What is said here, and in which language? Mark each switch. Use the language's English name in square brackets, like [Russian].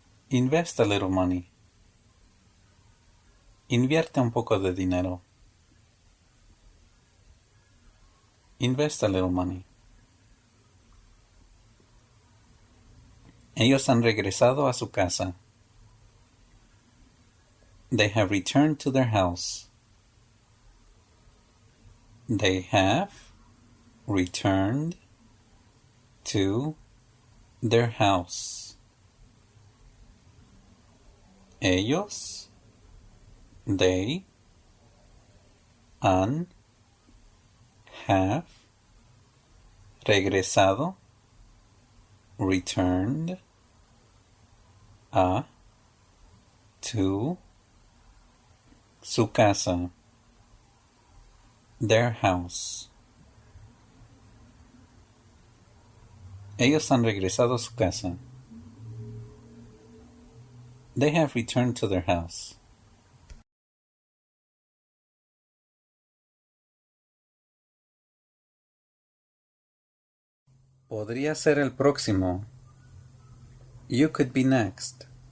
[English] Invest a little money. [Spanish] Invierte un poco de dinero. [English] Invest a little money. [Spanish] Ellos han regresado a su casa. [English] They have returned to their house. They have returned to their house. [Spanish] Ellos, [English] they, [Spanish] han, [English] have, [Spanish] regresado, [English] returned, [Spanish] a, [English] to, [Spanish] su casa, [English] their house. [Spanish] Ellos han regresado a su casa. [English] They have returned to their house. [Spanish] Podría ser el próximo. [English] You could be next.